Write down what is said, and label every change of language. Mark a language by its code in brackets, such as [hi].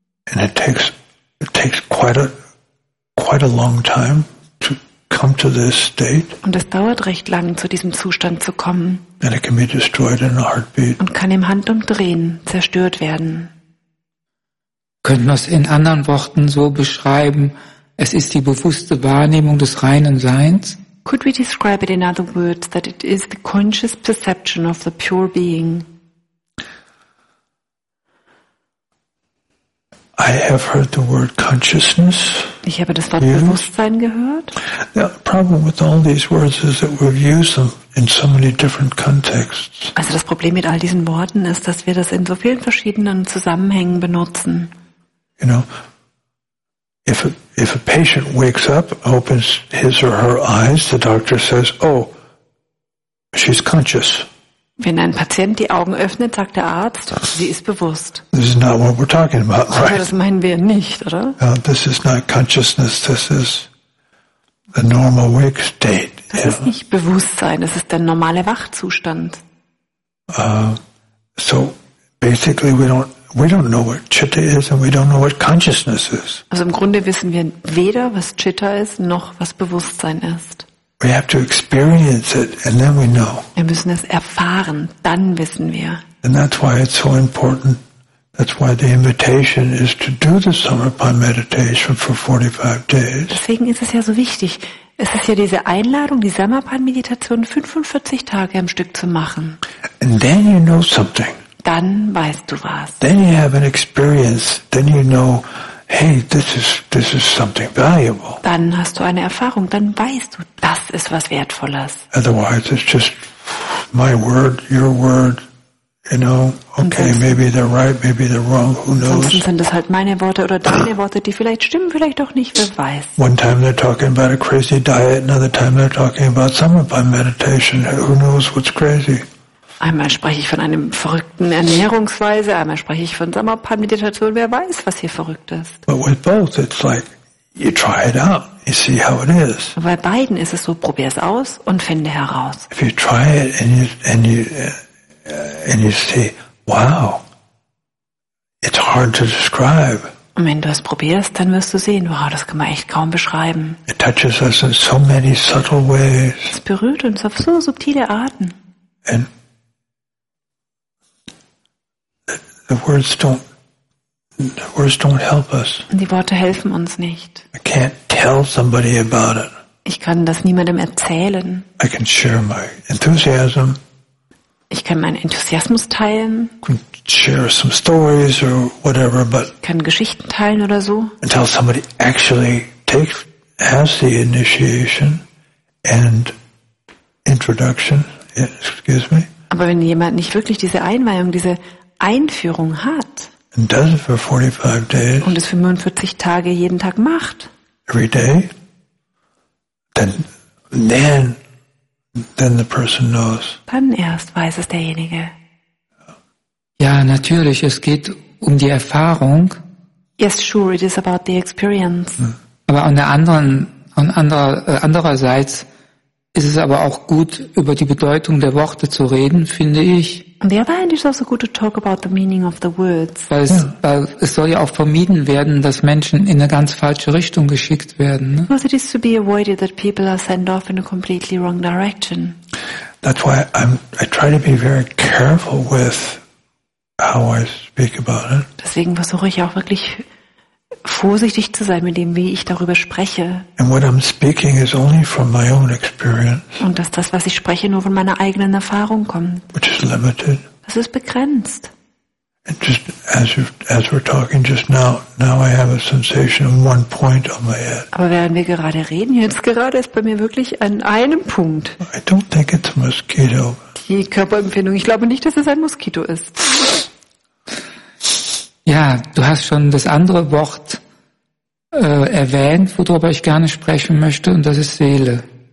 [en] And it takes quite a long time to come to this state. [de] Und es dauert recht lang, zu diesem Zustand zu kommen. [en] And it can be destroyed in a heartbeat. [de] Und kann im Handumdrehen zerstört werden. Könnte man es in anderen Worten so beschreiben, es ist die bewusste Wahrnehmung des reinen Seins? [en] Could we describe it in other words that it is the conscious perception of the pure being? I have heard the word consciousness. [de] Ich habe das Wort Bewusstsein gehört. [en] The problem with all these words is that we've used them in so many different contexts. [de] Also das Problem mit all diesen Worten ist, dass wir das in so vielen verschiedenen Zusammenhängen benutzen. [en] You know, if a patient wakes up, opens his or her eyes, the doctor says, "Oh, she's conscious." [de] Wenn ein Patient die Augen öffnet, sagt der Arzt, sie ist bewusst. [en] This is not what we're talking about, right? [de] Aber das meinen wir nicht, oder? [en] No, this is not consciousness. This is the normal wake state. [de] Das ist nicht Bewusstsein. Das ist der normale Wachzustand. [en] So basically, we don't know what citta is, and we don't know what consciousness is. [de] Also im Grunde wissen wir weder, was citta ist, noch was Bewusstsein ist. [en] We have to experience it, and then we know. [de] Wir müssen es erfahren, dann wissen wir. [en] And that's why it's so important. That's why the invitation is to do the Samarpan meditation for 45 days. [de] Deswegen ist es ja so wichtig. Es ist ja diese Einladung, die Samarpan-Meditation 45 Tage am Stück zu machen. [en] And then you know something. [de] Dann weißt du was. [en] Then you have an experience. Then you know. Hey, this is something valuable. [de] Dann hast du eine Erfahrung, dann weißt du, das ist was Wertvolles. [en] Otherwise, it's just my word, your word, you know. Okay, maybe they're right, maybe they're wrong. Who knows? [de] Sonst sind das halt meine Worte oder deine Worte, die vielleicht stimmen, vielleicht auch nicht. Wer weiß? [en] One time they're talking about a crazy diet, another time they're talking about Samarpan meditation. Who knows what's crazy? [de] Einmal spreche ich von einem verrückten Ernährungsweise, einmal spreche ich von Samarpan-Meditation, wer weiß, was hier verrückt ist. [en] But with both, it's like, you try it out, you see how it is. [de] Bei beiden ist es so, probier es aus und finde heraus. [en] If you try it and you see, wow, it's hard to describe. [de] Und wenn du es probierst, dann wirst du sehen, wow, das kann man echt kaum beschreiben. [en] It touches us in so many subtle ways. [de] Es berührt uns auf so subtile Arten. [en] And The words don't help us. [de] Die Worte helfen uns nicht. [en] I can't tell somebody about it. [de] Ich kann das niemandem erzählen. [en] I can share my enthusiasm. [de] Ich kann meinen Enthusiasmus teilen. [en] I can share some stories or whatever, but [de] ich kann Geschichten teilen oder so. [en] Until somebody actually has the initiation and introduction, excuse me. [de] Aber wenn jemand nicht wirklich diese Einweihung, diese Einführung hat [en] and does it for 45 days, [de] und es 45 Tage jeden Tag macht, [en] every day, then the person knows. [de] Dann erst weiß es derjenige. Ja, natürlich, es geht um die Erfahrung. [en] Yes, sure, it is about the experience. [de] Aber andererseits ist es aber auch gut, über die Bedeutung der Worte zu reden, finde ich. [en] Yeah, it is also good to talk about the meaning of the words. [de] Weil es soll ja auch vermieden werden, dass Menschen in eine ganz falsche Richtung geschickt werden. Ne? [en] Because it is to be avoided that people are sent off in a completely wrong direction. That's why I try to be very careful with how I speak about it. [de] Deswegen versuche ich auch wirklich vorsichtig zu sein mit dem, wie ich darüber spreche. [en] And what I'm speaking is only from my own experience. [de] Und dass das, was ich spreche, nur von meiner eigenen Erfahrung kommt. [en] Which is limited. [de] Das ist begrenzt. [en] And just as we're talking just now I have a sensation of one point on my head. [de] Aber während wir gerade reden, jetzt gerade ist bei mir wirklich an einem Punkt. [en] I don't think it's a mosquito. [de] Die Körperempfindung. Ich glaube nicht, dass es ein Moskito ist. Ja, du hast schon das andere Wort erwähnt, worüber ich gerne sprechen möchte, und das ist Seele.